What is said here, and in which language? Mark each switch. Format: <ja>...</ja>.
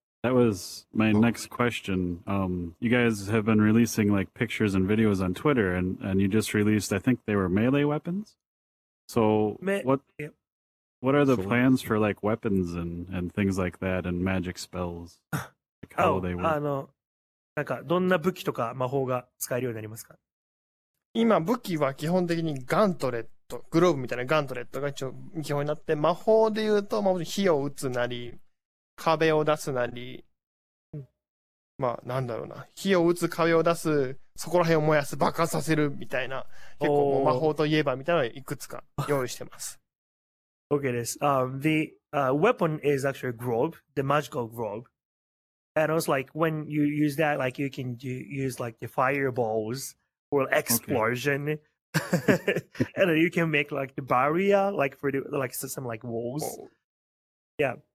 <en>That was my next question. You guys have been releasing like pictures and videos on Twitter, and you just released, I think they were melee weapons. So what are the plans for like weapons and things like that and magic spells? Like how they work?</en> <ja>どんな武器とか魔法が使えるようになりますか？今武器は基本的にガントレット、グローブみたいなガントレットが一応基本になって、魔法で言うと、まあ、火を打つなり、壁を出すなり、まあなんだろうな、火を打つ、壁を出す、そこら辺を燃やす、爆発させるみたいな、結構魔法といえばみたいなのをいくつか用意してます。</ja> <en>Okay, this. The weapon is actually a globe, the magical globe. And it's like when you use that, like you can use like the fireballs or explosion. Okay. And then you can make like the barrier, like for the like system, like walls. Oh. Yeah.</en>